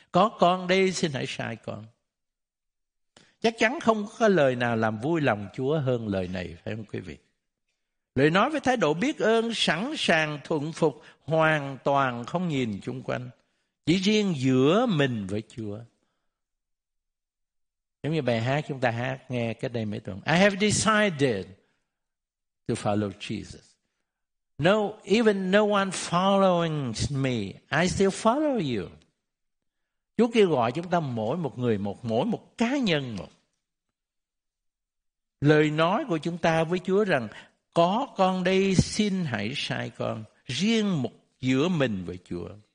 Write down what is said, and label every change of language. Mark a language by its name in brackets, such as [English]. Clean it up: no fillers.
[Vietnamese] Có con đây, xin hãy sai con. Chắc chắn không có lời nào làm vui lòng Chúa hơn lời này, phải không quý vị? Lời nói với thái độ biết ơn, sẵn sàng thuận phục, hoàn toàn không nhìn chung quanh, chỉ riêng giữa mình với Chúa. Giống như bài hát chúng ta hát nghe cách đây mấy tuần. [English] I have decided to follow Jesus. No, even no one following me, I still follow you. [Vietnamese] Chúa kêu gọi chúng ta mỗi một người một, mỗi một cá nhân một. Lời nói của chúng ta với Chúa rằng, có con đây, xin hãy sai con, riêng một giữa mình với Chúa.